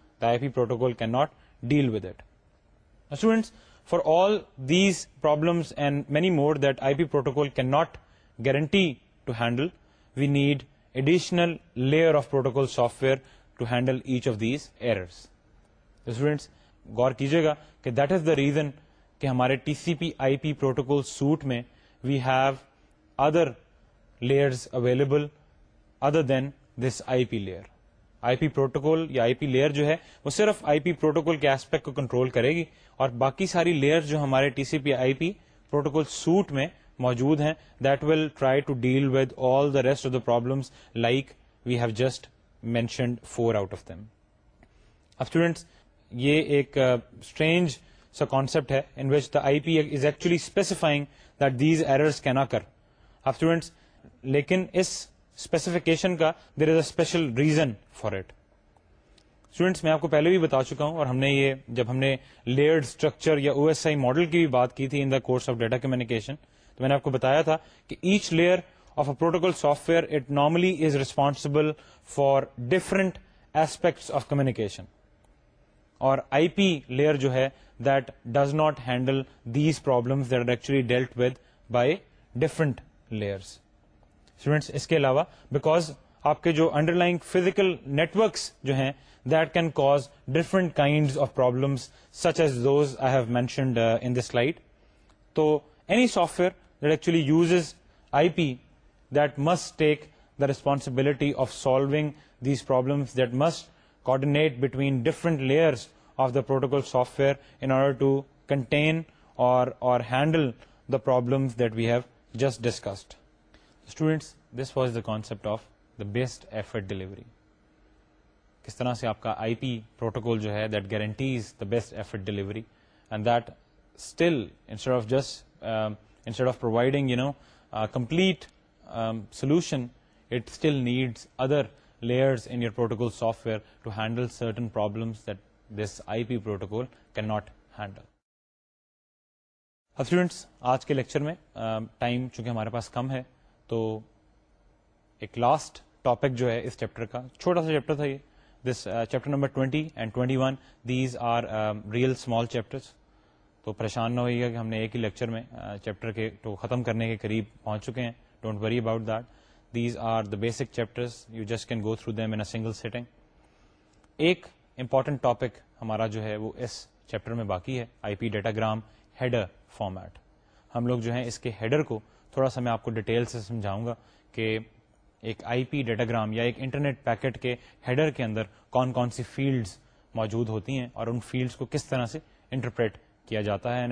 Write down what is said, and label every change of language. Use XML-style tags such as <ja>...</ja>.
<en>The IP protocol cannot deal with it. Now, students, for all these problems and many more that IP protocol cannot guarantee to handle, we need additional layer of protocol software to handle each of these errors. Now, students,</en> <ur>gaur kijiyega ke</ur> <en>that is the reason</en> <ur>کہ ہمارے T C پی آئی P protocol suite میں</ur> <en>We have other layers available other than this I P layer.</en> <ur>I P protocol یا آئی P layer جو ہے وہ صرف آئی P protocol کے aspect کو کنٹرول کرے گی, اور باقی ساری لیئر جو ہمارے ٹی سی پی آئی پی پروٹوکول سوٹ میں موجود ہیں,</ur> <en>That will try to deal with all the rest of the problems like we have just mentioned four out of them. اب students,</en> <ur>یہ ایک اسٹرینج سا کانسیپٹ ہے</ur> <en>In which the I P is actually specifying that these errors can occur. اب students,</en> <ur>لیکن اس specification کا</ur> <en>There is a special reason for it.</en> <ur>Students, میں آپ کو پہلے بھی بتا چکا ہوں, اور ہم نے یہ جب ہم نے لیئرڈ اسٹرکچر یا او ایس آئی ماڈل کی بھی بات کی تھی</ur> <en>in the course of data communication,</en> <ur>تو میں نے آپ کو بتایا تھا کہ</ur> <en>Each layer of a protocol software it normally is responsible for different aspects of communication.</en> <ur>Or IP layer jo hai,</ur> <en>that does not handle these problems that are actually dealt with by different layers. Students,</en> <ur>iske alawa,</ur> <en>because</en> <ur>آپ کے جو under line physical networks جو ہیں</ur> <en>That can cause different kind of problems such as those I have mentioned in this slide. تو any software that actually uses I P that must take the responsibility of solving these problems that must coordinate between different layers of the protocol software in order to contain or handle the problems that we have just discussed. Students this was the concept of the best effort delivery.</en> <ur>کس طرح سے آپ کا آئی P protocol جو ہے</ur> <en>That guarantees the best effort delivery and that still instead of just instead of providing you know complete solution it still needs other layers in your protocol software to handle certain problems that this I P protocol can not handle.</en> <ur>Students آج کے lecture میں time چونکہ ہمارے پاس کم ہے تو ایک last topic جو ہے اس چیپٹر کا چھوٹا سا چیپٹر تھا یہ</ur> <en>This chapter number 20 and 21 these are real small chapters.</en> <ur>تو پریشان نہ ہوئیے گا کہ ہم نے ایک ہی لیکچر میں چیپٹر کے تو ختم کرنے کے قریب پہنچ چکے ہیں.</ur> <en>Don't worry about that. These are the basic chapters. You just can go through them in a single sitting.</en> <ur>ایک امپورٹنٹ ٹاپک ہمارا جو ہے وہ اس چیپٹر میں باقی ہے, آئی پی ڈیٹاگرام ہیڈر فارمیٹ. ہم لوگ جو ہیں اس کے ہیڈر کو تھوڑا سا میں آپ کو ڈیٹیل سے سمجھاؤں گا کہ ایک آئی پی ڈیٹاگرام یا ایک انٹرنیٹ پیکٹ کے ہیڈر کے اندر کون کون سی فیلڈز موجود ہوتی ہیں اور ان فیلڈز کو کس طرح سے انٹرپریٹ کیا جاتا ہے.</ur>